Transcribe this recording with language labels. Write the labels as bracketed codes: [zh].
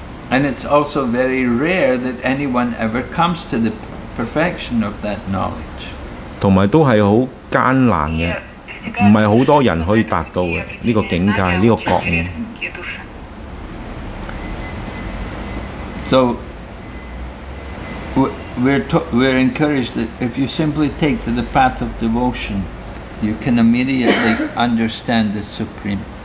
[en] And it's also very rare that anyone ever comes to the perfection of that knowledge. [yue] 同埋都係好艱難嘅。唔係好多人可以達到嘅呢個境界，呢個覺悟。 [en] So we're encouraged that if you simply take to the path of devotion, you can immediately understand the Supreme.